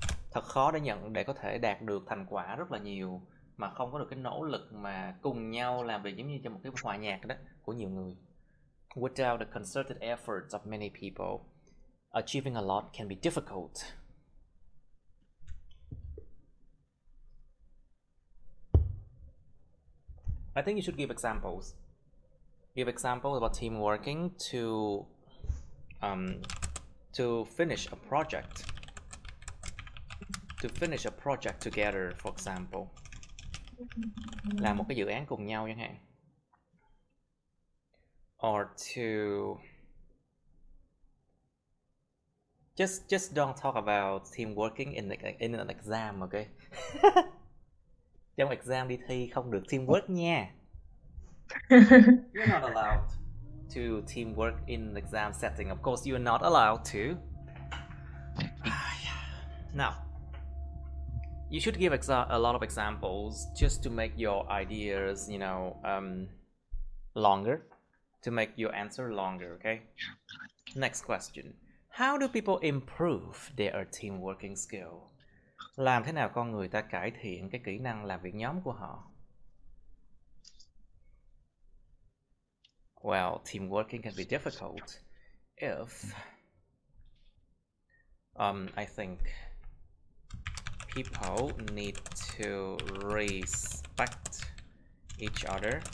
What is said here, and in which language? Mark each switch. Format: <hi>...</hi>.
<vi>Thật khó để nhận để có thể đạt được thành quả rất là nhiều mà không có được cái nỗ lực mà cùng nhau làm việc giống như trong một cái hòa nhạc đó của nhiều người.</vi> <en>Without the concerted efforts of many people, achieving a lot can be difficult. I think you should give examples. Give examples about team working to finish a project. To finish a project together, for example.</en> <vi>Làm một cái dự án cùng nhau chẳng hạn.</vi> <en>Or to just don't talk about team working in an exam, okay?</en> <vi>Trong exam đi thi không được teamwork nha.</vi> <en>You're not allowed to teamwork in exam setting. Of course, you're not allowed to. Now, you should give a lot of examples just to make your ideas, you know, longer, to make your answer longer, okay? Next question. How do people improve their team working skill?</en> <vi>Làm thế nào con người ta cải thiện cái kỹ năng làm việc nhóm của họ?</vi> <en>Well, team working can be difficult if I think people need to respect each other.</en>